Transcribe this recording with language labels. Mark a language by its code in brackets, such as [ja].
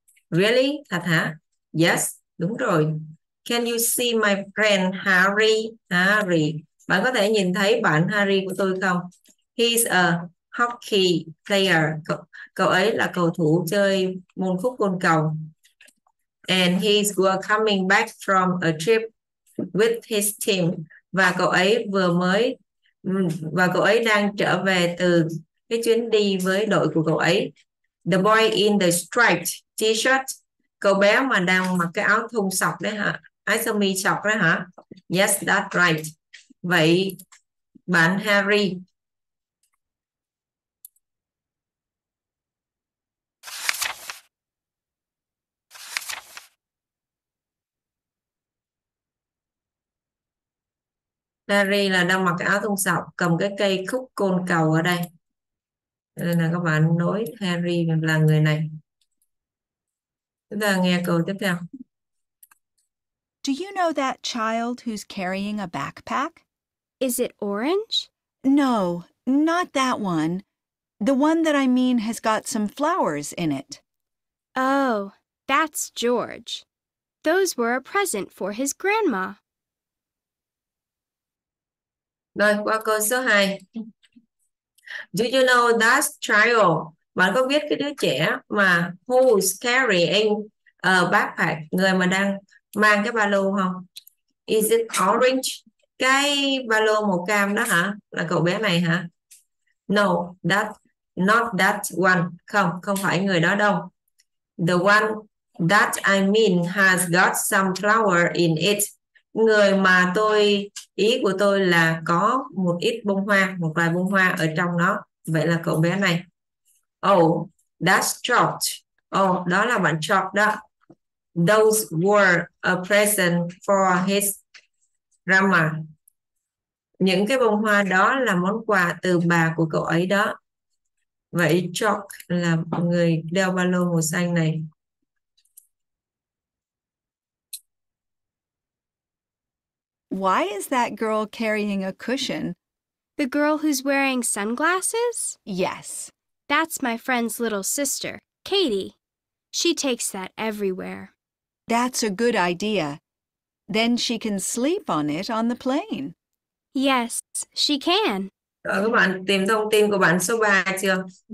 [en] Really? [vi] Thật hả? [en] Yes, [vi] đúng rồi. [en] Can you see my friend Harry? Harry. [vi] Bạn có thể nhìn thấy bạn Harry của tôi không? [en] He's a hockey player. [vi] Cậu ấy là cầu thủ chơi môn khúc côn cầu. [en] And he's coming back from a trip with his team. [vi] Và cậu ấy vừa mới và cậu ấy đang trở về từ cái chuyến đi với đội của cậu ấy. [en] The boy in the striped t-shirt. [vi] Cậu bé mà đang mặc cái áo thun sọc đấy hả? Áo sơ mi sọc đấy hả? [en] Yes, that's right. [vi] Vậy bạn Harry. Harry là đang mặc cái áo thun sọc, cầm cái cây khúc côn cầu ở đây. Đây là các bạn nói Harry là người này. Chúng ta nghe câu tiếp theo. [en] Do you know that child who's carrying a backpack? Is it orange? No, not that one. The one that I mean has got some flowers in it. Oh, that's George. Those were a present for his grandma. [vi] Rồi, qua câu số 2. [en] Do you know that child? [vi] Bạn có biết cái đứa trẻ mà [en] who's carrying a backpack? [vi] Người mà đang mang cái ba lô không? [en] Is it orange? [vi] Cái ba lô màu cam đó hả? Là cậu bé này hả? [en] No, that not that one. [vi] Không, không phải người đó đâu. [en] The one that I mean has got some flower in it. [vi] Người mà tôi, ý của tôi là có một ít bông hoa, một vài bông hoa ở trong nó. Vậy là cậu bé này. [en] Oh, that's George. [vi] Oh, đó là bạn George đó. [en] Those were a present for his grandma. [vi] Những cái bông hoa đó là món quà từ bà của cậu ấy đó. Vậy George là người đeo ba lô màu xanh này. [en] Why is that girl carrying a cushion? The girl who's wearing sunglasses? Yes. That's my friend's little sister, Katie. She takes that everywhere. That's a good idea. Then she can sleep on it on the plane. Yes, she can. [vi] Các bạn tìm thông tin của bạn số 3 chưa?